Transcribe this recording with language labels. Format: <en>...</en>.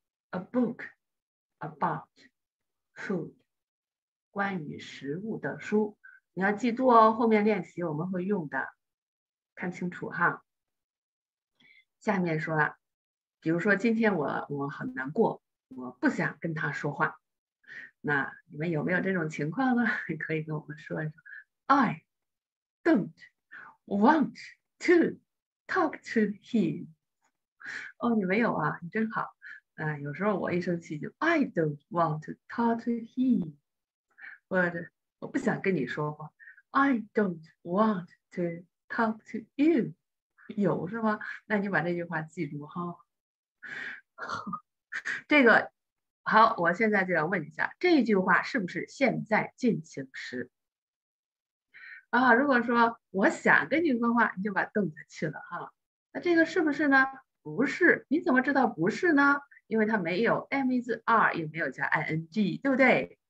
<en>A book about food，</en> <zh>关于食物的书，你要记住哦，后面练习我们会用的，看清楚哈。下面说了，比如说今天我很难过，我不想跟他说话，那你们有没有这种情况呢？可以跟我们说一说。</zh> <en>I don't want to talk to him。</en> <zh>哦，你没有啊，你真好。有时候我一生气就</zh> <en>I don't want to talk to him，</en> <zh>或者我不想跟你说话 ，</zh> <en>I don't want to talk to you，</en> <zh>有是吗？那你把这句话记住哈。这个好，我现在就要问一下，这句话是不是现在进行时？啊，如果说我想跟你说话，你就把 don't 去了哈。那这个是不是呢？不是，你怎么知道不是呢？因为它没有 am is are， 也没有加 ing， 对不对？</zh>